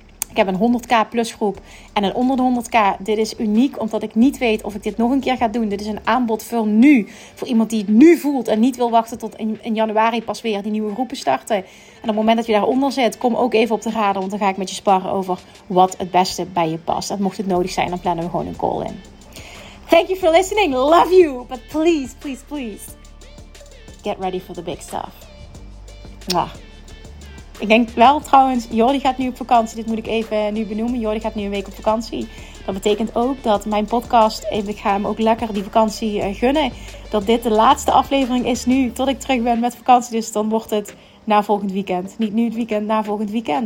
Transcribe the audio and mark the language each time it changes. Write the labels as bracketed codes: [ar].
[nl] Ik heb een 100k plus groep en een onder de 100k. Dit is uniek omdat ik niet weet of ik dit nog een keer ga doen. Dit is een aanbod voor nu. Voor iemand die het nu voelt en niet wil wachten tot in januari pas weer die nieuwe groepen starten. En op het moment dat je daaronder zit, kom ook even op de radar. Want dan ga ik met je sparren over wat het beste bij je past. En mocht het nodig zijn, dan plannen we gewoon een call in. [en] Thank you for listening. Love you. But please, please, please. Get ready for the big stuff. Mwah. [nl] Ik denk wel trouwens, Jordi gaat nu op vakantie. Dit moet ik even nu benoemen. Jordi gaat nu een week op vakantie. Dat betekent ook dat mijn podcast, ik ga hem ook lekker die vakantie gunnen. Dat dit de laatste aflevering is nu, tot ik terug ben met vakantie. Dus dan wordt het na volgend weekend. Niet nu het weekend, na volgend weekend.